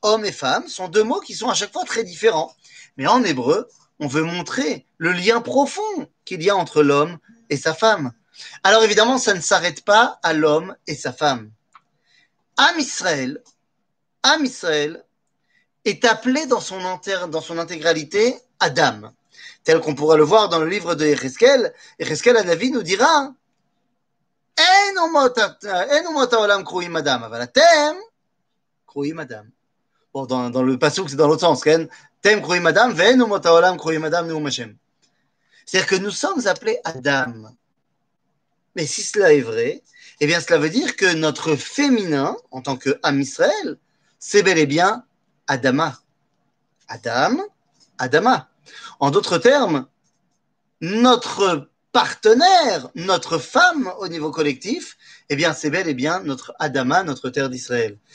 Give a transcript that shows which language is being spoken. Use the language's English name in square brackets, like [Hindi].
[French] Homme et femme sont deux mots qui sont à chaque fois très différents. Mais en hébreu, on veut montrer le lien profond qu'il y a entre l'homme et sa femme. Alors évidemment, ça ne s'arrête pas à l'homme et sa femme. Am Israël est appelé dans son intégralité Adam, tel qu'on pourra le voir dans le livre de Yeheskel. Yeheskel Hanavi nous dira: [Hebrew] אין אומות העולם קרויים אדם, אבל אתם קרויים אדם. בואו, בפסוק זה דלות סונס, כן? אתם קרויים אדם ואין אומות העולם קרויים אדם, נאום השם. [French] C'est-à-dire que nous sommes appelés Adam. Mais si cela est vrai, eh bien cela veut dire que notre féminin, en tant qu'âme Israël, c'est bel et bien Adama. Adam, Adama. En d'autres termes, notre partenaire, notre femme au niveau collectif, eh bien, c'est bel et bien notre Adama, notre terre d'Israël.